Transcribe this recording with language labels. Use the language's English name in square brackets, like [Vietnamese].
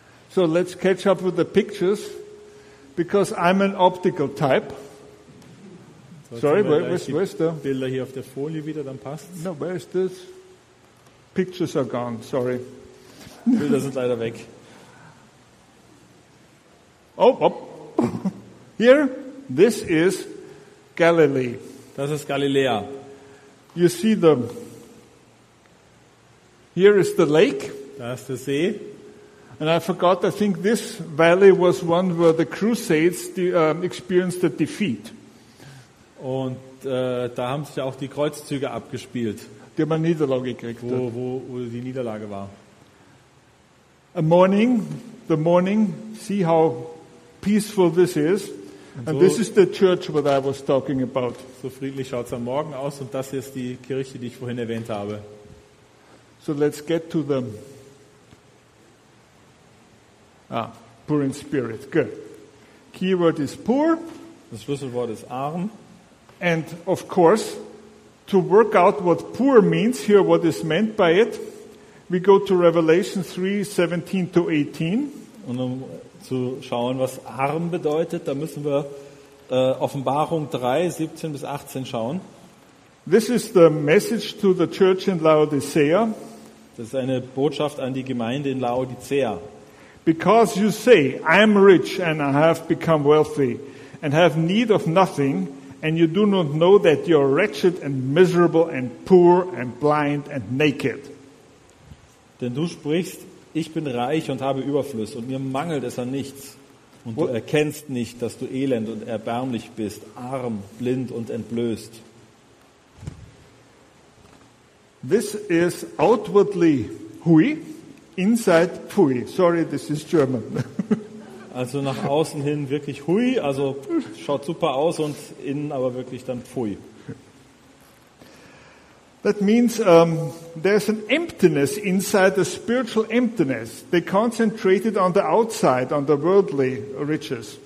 [English] So let's catch up with the pictures, because I'm an optical type. Sorry, where's the [German] Bilder hier auf der Folie wieder, dann passt. [English] No, where is this? Pictures are gone. Sorry. [German] Bilder sind leider weg. [English] Oh, here, this is Galilee. [German] Das ist Galiläa. [English] You see the. Here is the lake. [German] Da ist der See. [English] And I forgot. I think this valley was one where the Crusades experienced a defeat. [German] Und da haben sich ja auch die Kreuzzüge abgespielt. Die haben eine Niederlage gekriegt. Wo die Niederlage war. [English] The morning, see how peaceful this is. And so, this is the church what I was talking about. [German] So friedlich schaut es am Morgen aus und das ist die Kirche, die ich vorhin erwähnt habe. [English] So let's get to the poor in spirit. Good. Keyword is poor. [German] Das Schlüsselwort ist arm. [English] And of course, to work out what poor means here, what is meant by it, we go to Revelation 3:17-18. [German] Und um zu schauen, was arm bedeutet, da müssen wir Offenbarung 3:17-18 schauen. [English] This is the message to the church in Laodicea. [German] Das ist eine Botschaft an die Gemeinde in Laodicea. [English] Because you say, I am rich and I have become wealthy and have need of nothing. And you do not know that you are wretched and miserable and poor and blind and naked. [German] Denn du sprichst, ich bin reich und habe Überfluss und mir mangelt es an nichts. Und du erkennst nicht, dass du elend und erbärmlich bist, arm, blind und entblößt. [English] This is outwardly hui, inside pui. Sorry, this is German. [German] Also nach außen hin wirklich hui, also schaut super aus und innen aber wirklich dann pfui. [English] That means there's an emptiness inside, a spiritual emptiness. They concentrated on the outside, on the worldly riches.